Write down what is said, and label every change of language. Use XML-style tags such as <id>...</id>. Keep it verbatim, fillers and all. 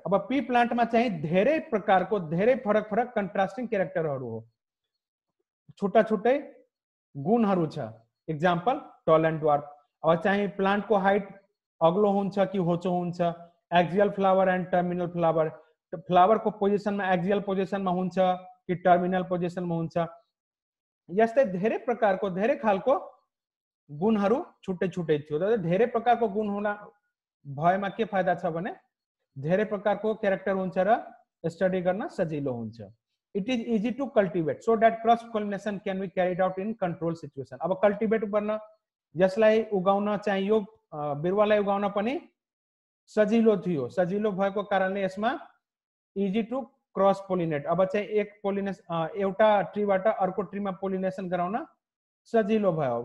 <ne>अब पी प्लान्टमा चाहिँ धेरै प्रकारको धेरै फरक फरक कन्ट्रास्टिङ क्यारेक्टरहरू हो, छुट्टा छुट्टै गुणहरू छ।</ne> <en>Example tall and dwarf.</en> <ne>अब चाहिँ प्लान्टको हाइट अग्लो हुन्छ कि होचो हुन्छ। Axial flower and terminal flower, फ्लावरको पोजिसनमा एक्जियल पोजिसनमा हुन्छ कि टर्मिनल पोजिसनमा हुन्छ। यस्तै धेरै प्रकारको धेरै खालको गुणहरू छुट्टै छुट्टै थियो। धेरै प्रकारको गुण हुन भएमा के फाइदा छ भने धेरै प्रकारको क्यारेक्टर हुन्छ र स्टडी गर्न सजिलो हुन्छ।</ne> <en>It is easy to cultivate so that cross pollination can be carried out in controlled situation.</en> <ne>अब cultivate गर्न जसलाई उगाउन चाहियो बिरुवालाई उगाउन पनि सजिलो थियो, सजिलो भएको कारणले यसमा</ne> <en>easy to cross pollinate,</en> <ne>अब चाहिँ एक पोलिनेसन एउटा ट्रीबाट अर्को ट्रीमा पोलिनेसन गराउन सजिलो भयो।</ne>